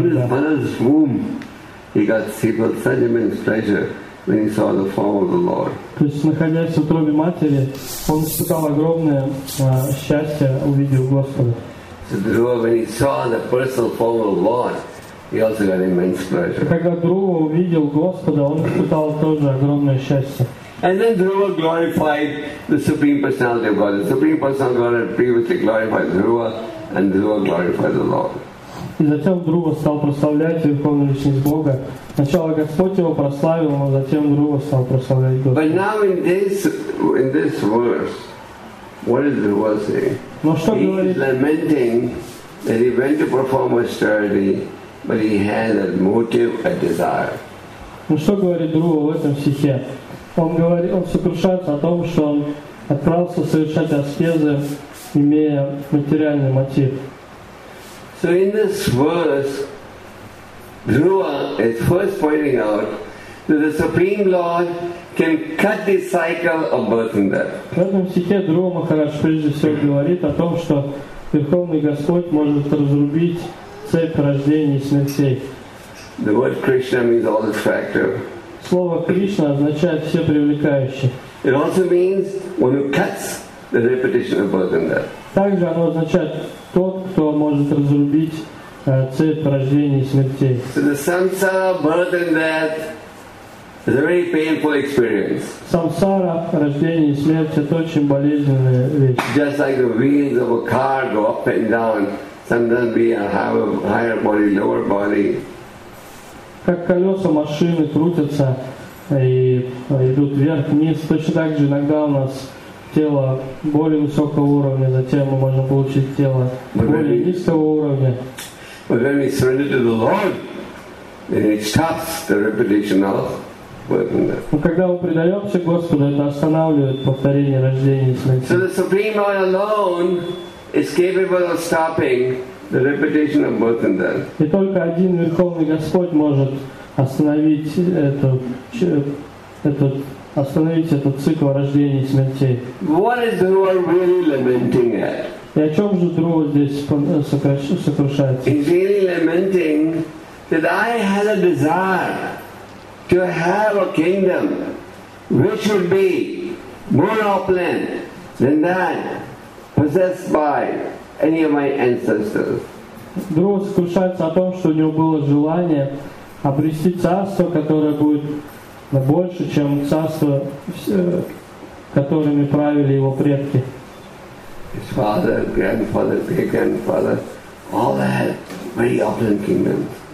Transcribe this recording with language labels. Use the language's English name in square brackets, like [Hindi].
[English] In his mother's womb, he got such immense pleasure when he saw the form of the Lord. [Russian] То есть, находясь в утробе матери, он испытал огромное счастье, увидев Господа. [English] So Dhruva, when he saw the personal form of the Lord, he also got immense pleasure. [Russian] Когда Друва увидел Господа, он испытал тоже огромное счастье. [English] And then Dhruva glorified the Supreme Personality of God. The Supreme Personality of God had previously glorified Dhruva, and Dhruva glorified the Lord. [Russian] И затем Дхрува стал прославлять Верховную Личность Бога. Сначала Господь его прославил, но затем Дхрува стал прославлять Господа. [English] But now in this verse, what is Dhruva saying? [Russian] Но что говорит? [English] He is lamenting that he went to perform austerity, but he had a motive, a desire. [Russian] Ну что говорит Дхрува в этом стихе? Он сокрушается о том, что он отправился совершать аскезы, имея материальный мотив. [English] So in this verse, Dhruva is first pointing out that the Supreme Lord can cut the cycle of birth and death. [Russian] В этом стихе Дхрува Махарадж прежде всего говорит о том, что Верховный Господь может разрубить цепь рождения и смертей. [English] The word Krishna means all attractive. [Russian] Слово Кришна означает все привлекающее. [English] It also means one who cuts the repetition of birth and death. [Russian] Также оно означает тот, кто может разрубить цепь рождения и смертей. [English] So the samsara, birth and death is a very painful experience. [Russian] Самсара, рождение и смерть, это очень болезненная вещь. [English] Just like the wheels of a car go up and down, sometimes we have a higher body, lower body. [Russian] Как колеса машины крутятся и идут вверх-вниз, точно так же иногда у нас тело более высокого уровня, затем мы можем получить тело более низкого уровня. [English] But when we surrender to the Lord, then it stops the repetition of birth. [Russian] Когда мы предаемся Господу, это останавливает повторение рождения и смерти. [English] So the Supreme Lord alone is capable of stopping the repetition of birth and death. [Russian] И только один Верховный Господь может остановить этот цикл рождения и смертей. [English] What is Dhruva really lamenting at? [Russian] И о чем же Дхрува здесь сокрушается? [English] He's really lamenting that I had a desire to have a kingdom which would be more opulent than that possessed by any of my ancestors. [Russian] Дхрува сокрушается о том, что у него было желание обрести царство, которое будет больше, чем царство, которыми правили его предки. [English] His father, grandfather, great-grandfather, all had very opulent kingdoms.